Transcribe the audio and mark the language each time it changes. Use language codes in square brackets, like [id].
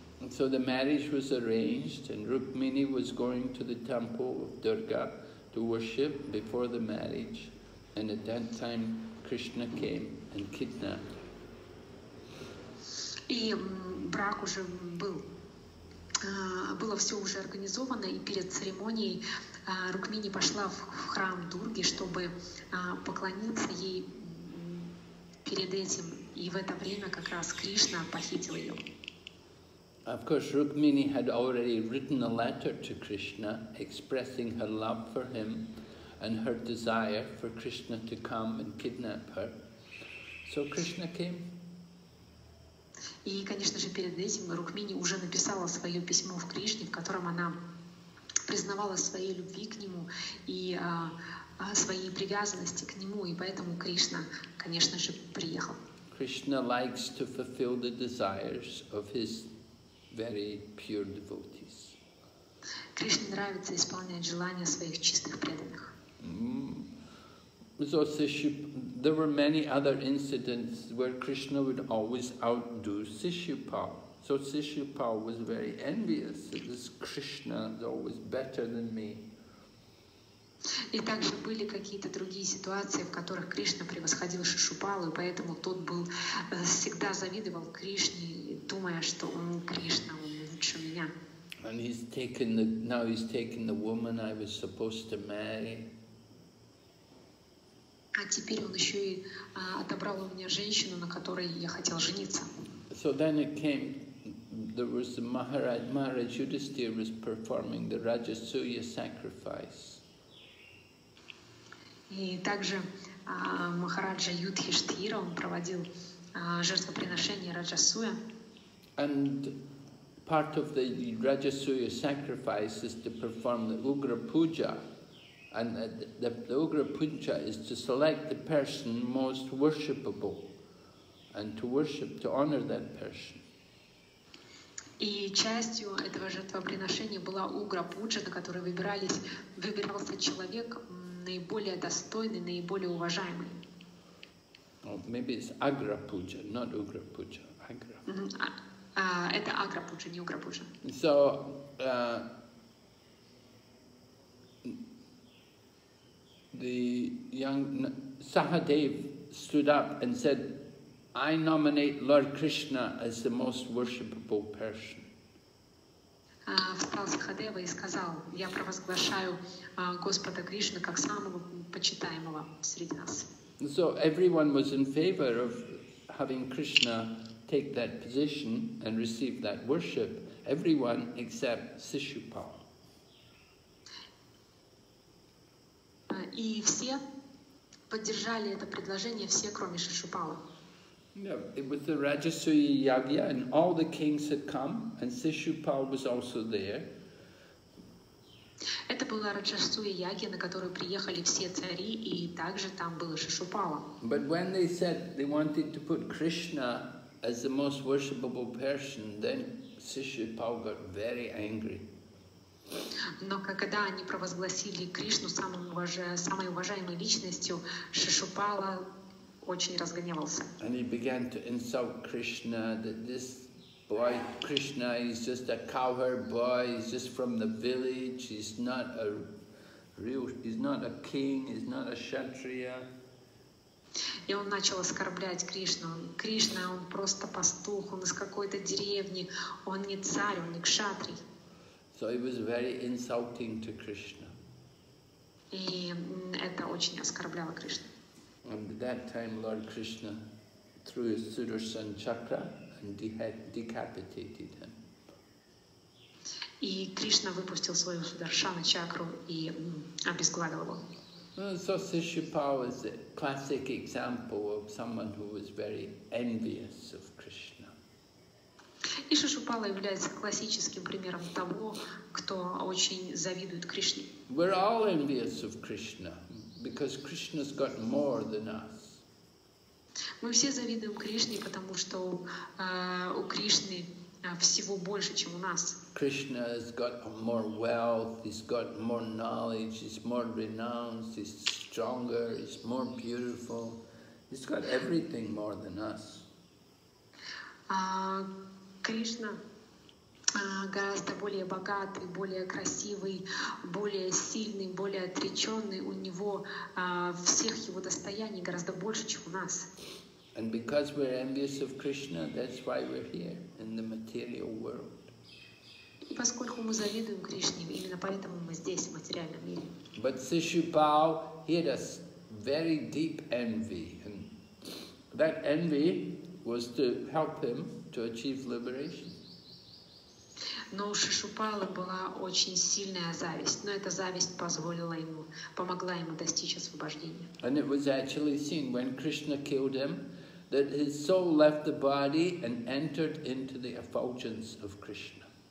[en] So the marriage was arranged, and Rukmini was going to the temple of Durga to worship before the marriage, and at that time Krishna came and kidnapped. [ru] И брак уже был, было все уже организовано, и перед церемонией Рукмини пошла в храм Дурги, чтобы поклониться ей перед этим, и в это время как раз Кришна похитил ее. [en] Of course, Rukmini had already written a letter to Krishna, expressing her love for him and her desire for Krishna to come and kidnap her. So Krishna came. [ru] И, конечно же, перед этим Рукмини уже написала свое письмо в Кришне, в котором она признавала своей любви к нему и своей привязанности к нему, и поэтому Кришна, конечно же, приехал. [en] Krishna likes to fulfill the desires of his very pure devotees. [ru] Кришне нравится исполнять желания своих чистых преданных. [en] So there were many other incidents where Krishna would always outdo Sishupal. So Sishupal was very envious that this Krishna is always better than me. [ru] И также были какие-то другие ситуации, в которых Кришна превосходил Шишупалу, и поэтому тот был всегда завидовал Кришне, думая, что он Кришна, он лучше меня. [en] And he's taken the now he's taken the woman I was supposed to marry. [ru] А теперь он еще и отобрал у меня женщину, на которой я хотел жениться. [en] So then it came, there was the Maharaj Yudhisthira was performing the Rajasuya sacrifice. [ru] И также Махараджа Юдхиштхира, он проводил жертвоприношение Раджасуя. [en] And part of the Rajasuya sacrifice is to perform the Ugra Puja. And the Ugra Puja is to select the person most worshipable and to worship, to honor that person. [ru] И частью этого жертвоприношения была Ugra Puja, на которой выбирался человек наиболее достойный, наиболее уважаемый. [en] Oh, maybe it's Agra Puja, not Ugra Puja. Agra. [ru] Это Agra Puja, не Ugra Puja. [en] So, the young Sahadev stood up and said, I nominate Lord Krishna as the most worshipable person. [ru] Встал Сахадева и сказал, я провозглашаю Господа Кришну как самого почитаемого среди нас. [en] So everyone was in favor of having Krishna take that position and receive that worship. Everyone except Sishupal. [ru] И все поддержали это предложение, все, кроме Шишупала. [en] Yeah, it was the Rajasuya Yagya, and all the kings had come, and Sishupal was also there. [ru] Это была Раджасуя Ягья, на которую приехали все цари, и также там было Шишупала. [en] But when they said they wanted to put Krishna as the most worshipable person, then Sishupal got very angry. [ru] Но когда они провозгласили Кришну самой уважаемой личностью, Шишупала очень разгневался. [en] And he began to insult Krishna, that this boy Krishna is just a cowherd boy, he's just from the village, he's not a real, he's not a king, he's not a kshatriya. [ru] И он начал оскорблять Кришну. Кришна, он просто пастух, он из какой-то деревни, он не царь, он не кшатрий. [en] So it was very insulting to Krishna. [ru] И это очень оскорбляло Кришну. [en] And at that time Lord Krishna threw his Sudarshan chakra and decapitated him. [ru] И Кришна выпустил свою Сударшана чакру и обезглавил его. [en] So Sishupal was a classic example of someone who was very envious of Krishna. [ru] И Шишупала является классическим примером того, кто очень завидует Кришне. [en] We're all envious of Krishna because Krishna's got more than us. [ru] Мы все завидуем Кришне, потому что у Кришны всего больше, чем у нас. [en] Krishna has got more wealth, he's got more knowledge, he's more renowned, he's stronger, he's more beautiful. He's got everything more than us. [ru] Krishna гораздо более богатый, более красивый, более сильный, более отреченный. У него всех его достояний гораздо больше, чем у нас. [en] And because we're envious of Krishna, that's why we're here in the material world. [ru] И поскольку мы завидуем Кришне, именно поэтому мы здесь, в материальном мире. [en] But Sishupal, he had a very deep envy. And that envy was to help him to achieve liberation. [ru] Но у Шишупалы была очень сильная зависть. Но эта зависть позволила ему, помогла ему достичь освобождения. [en] And it was actually seen when Krishna killed him, that his soul left the body and entered into the effulgence of Krishna.